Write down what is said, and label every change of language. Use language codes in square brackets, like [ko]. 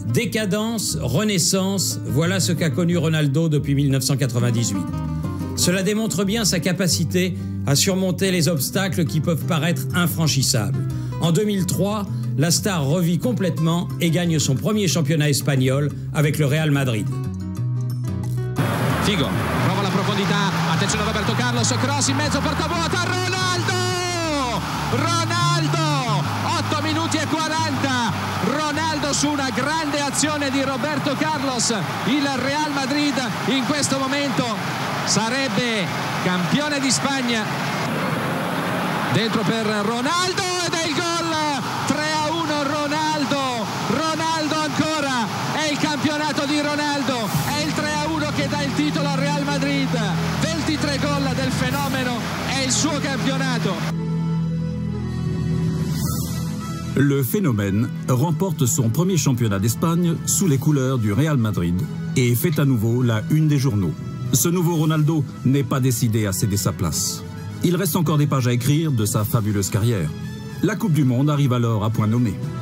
[fr] Décadence, renaissance, voilà ce qu'a connu Ronaldo depuis 1998. Cela démontre bien sa capacité à surmonter les obstacles qui peuvent paraître infranchissables. En 2003, la star revit complètement et gagne son premier championnat espagnol avec le Real Madrid. [it] Figo, prova la profondità, attenzione Roberto Carlos, cross in mezzo, porta vuota, Ronaldo! Ronaldo! 8 minuti e 40! Ronaldo su una grande azione di Roberto Carlos, il Real Madrid in questo momento sarebbe campione di Spagna. Dentro per Ronaldo ed è il gol, 3-1 Ronaldo, Ronaldo ancora, è il campionato di Ronaldo, è il 3-1 che dà il titolo al Real Madrid, 23 gol del fenomeno, è il suo campionato. [fr] Le phénomène remporte son premier championnat d'Espagne sous les couleurs du Real Madrid et fait à nouveau la une des journaux. Ce nouveau Ronaldo n'est pas décidé à céder sa place. Il reste encore des pages à écrire de sa fabuleuse carrière. La Coupe du Monde arrive alors à point nommé.